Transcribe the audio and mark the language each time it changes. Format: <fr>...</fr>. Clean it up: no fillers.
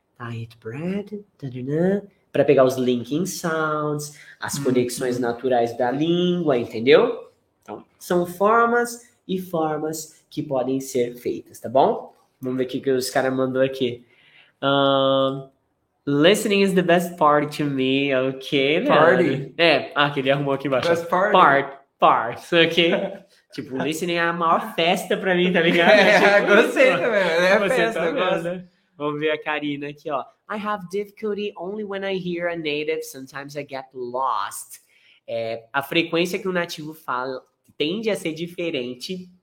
<en>Diet bread,</en> <pt>tadadã... Para pegar os linking sounds, as conexões naturais da língua, entendeu? Então, são formas e formas que podem ser feitas, tá bom? Vamos ver o que os caras mandou aqui.</pt> <en>Listening is the best part to me, ok? Party.</en> <pt>Né? Ele arrumou aqui embaixo.</pt> <en>Best party. Part, ok?</en> <pt>Tipo, listening é a maior festa para mim, tá ligado? Gostei também, é a festa, tá gosto. Vamos ver a Karina aqui, ó.</pt> <en>I have difficulty only when I hear a native, sometimes I get lost.</en> <pt>É, a frequência que o nativo fala tende a ser diferente.</pt>